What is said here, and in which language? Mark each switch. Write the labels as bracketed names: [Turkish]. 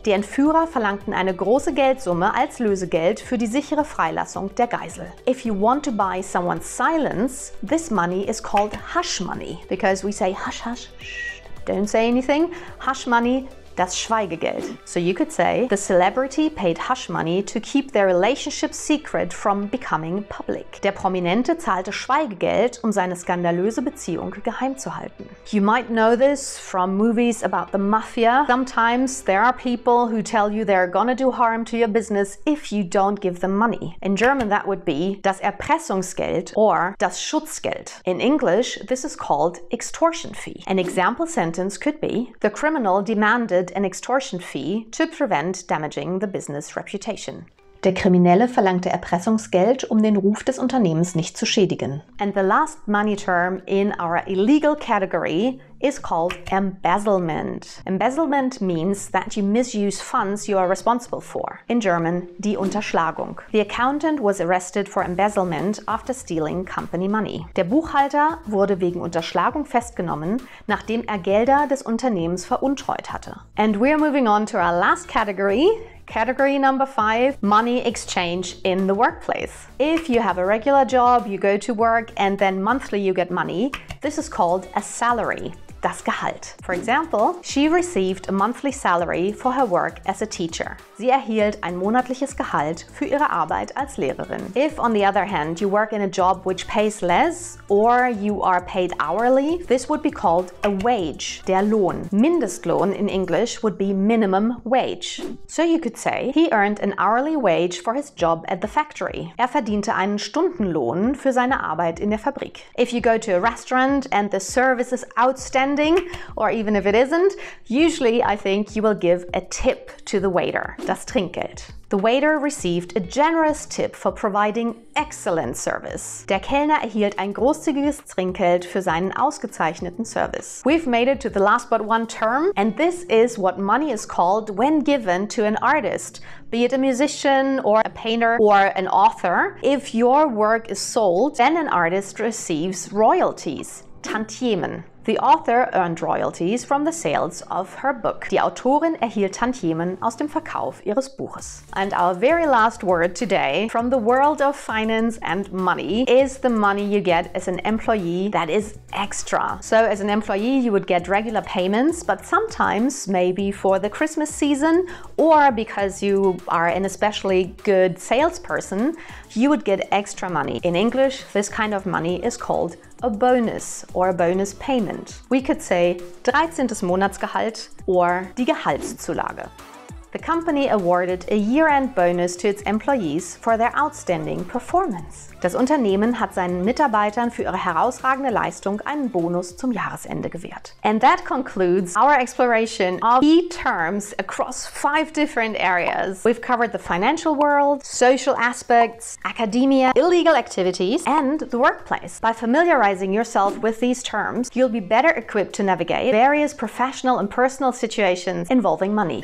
[German] Die Entführer verlangten eine große Geldsumme als Lösegeld für die sichere Freilassung der Geisel. [English] If you want to buy someone's silence, this money is called hush money, because we say hush, hush, shh, don't say anything. Hush money, das Schweigegeld. So you could say, the celebrity paid hush money to keep their relationship secret from becoming public. [German] Der Prominente zahlte Schweigegeld, um seine skandalöse Beziehung geheim zu halten. [English] You might know this from movies about the Mafia. Sometimes there are people who tell you they're gonna do harm to your business if you don't give them money. In German that would be das Erpressungsgeld or das Schutzgeld. In English this is called extortion fee. An example sentence could be, the criminal demanded an extortion fee to prevent damaging the business reputation. [German] Der Kriminelle verlangte Erpressungsgeld, um den Ruf des Unternehmens nicht zu schädigen. [English] And the last money term in our illegal category is called embezzlement. Embezzlement means that you misuse funds you are responsible for. In German, die Unterschlagung. The accountant was arrested for embezzlement after stealing company money. [German] Der Buchhalter wurde wegen Unterschlagung festgenommen, nachdem er Gelder des Unternehmens veruntreut hatte. [English] And we are moving on to our last category. Category number 5, money exchange in the workplace. If you have a regular job, you go to work and then monthly you get money, this is called a salary, das Gehalt. For example, she received a monthly salary for her work as a teacher. [German] Sie erhielt ein monatliches Gehalt für ihre Arbeit als Lehrerin. [English] If, on the other hand, you work in a job which pays less or you are paid hourly, this would be called a wage, der Lohn. Mindestlohn in English would be minimum wage. So you could say, he earned an hourly wage for his job at the factory. [German] Er verdiente einen Stundenlohn für seine Arbeit in der Fabrik. [English] If you go to a restaurant and the service is outstanding, ending, or even if it isn't, usually I think you will give a tip to the waiter, das Trinkgeld. The waiter received a generous tip for providing excellent service. [German] Der Kellner erhielt ein großzügiges Trinkgeld für seinen ausgezeichneten Service. [English] We've made it to the last but one term, and this is what money is called when given to an artist, be it a musician or a painter or an author. If your work is sold, then an artist receives royalties, Tantiemen. The author earned royalties from the sales of her book. [German] Die Autorin erhielt Tantiemen aus dem Verkauf ihres Buches. [English] And our very last word today from the world of finance and money is the money you get as an employee that is extra. So as an employee, you would get regular payments, but sometimes maybe for the Christmas season or because you are an especially good salesperson, you would get extra money. In English, this kind of money is called a bonus or a bonus payment. We could say 13. Monatsgehalt or die Gehaltszulage. The company awarded a year-end bonus to its employees for their outstanding performance. [German] Das Unternehmen hat seinen Mitarbeitern für ihre herausragende Leistung einen Bonus zum Jahresende gewährt. [English] And that concludes our exploration of key terms across 5 different areas. We've covered the financial world, social aspects, academia, illegal activities, and the workplace. By familiarizing yourself with these terms, you'll be better equipped to navigate various professional and personal situations involving money.